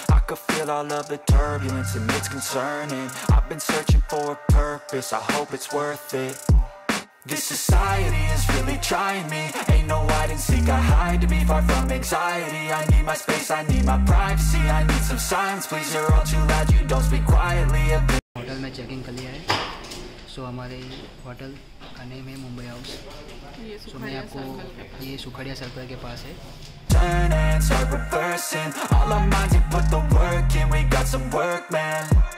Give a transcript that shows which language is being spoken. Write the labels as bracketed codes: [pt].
[en] I could feel all of the turbulence and it's concerning. I've been searching for a purpose, I hope it's worth it. This society is really trying me. Ain't no hide and seek, I hide to be far from anxiety. I need my space, I need my privacy. I need some silence, please. You're all too loud, you don't speak quietly. [hi] Hotel में checking कर लिया है। सो हमारे hotel का name है Mumbai house. सो मैं आपको ये सुखड़िया सर्कल के पास है। [en] Turn and start reversing. All our minds, you put the work in. We got some work, man.